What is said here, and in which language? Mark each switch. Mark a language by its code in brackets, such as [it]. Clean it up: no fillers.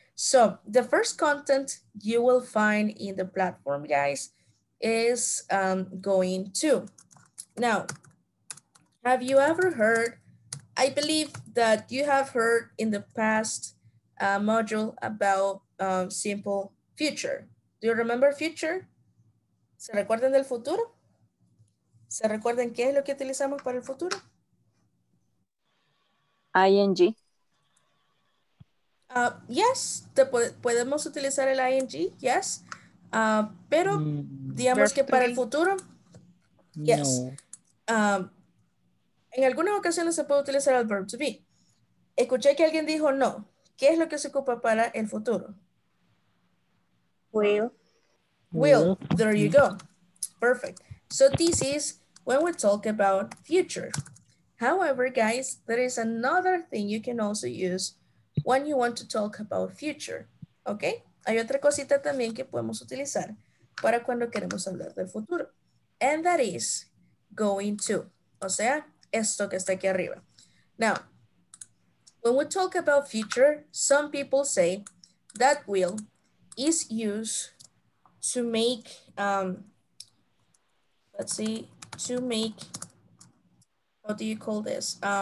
[en] So, the first content you will find in the platform, guys, is going to. Now, have you ever heard, I believe that you have heard in the past module about simple future. Do you remember future? [es] ¿Se recuerdan del futuro? ¿Se recuerdan qué es lo que utilizamos para el futuro? [en] ING. [es] Yes, podemos utilizar el ING, yes. Pero digamos birthday. Que para el futuro, yes. No. En algunas ocasiones se puede utilizar el verb to be. Escuché que alguien dijo no. ¿Qué es lo que se ocupa para el futuro? [en] Will. There you go. Perfect. So this is when we talk about future. However, guys, there is another thing you can also use when you want to talk about future. ¿Ok? [es] Hay otra cosita también que podemos utilizar para cuando queremos hablar del futuro. [en] And that is going to. [es] O sea, esto que está aquí arriba. [en] Now, when we talk about future, some people say that will is used to make, let's see, to make, how do you call this?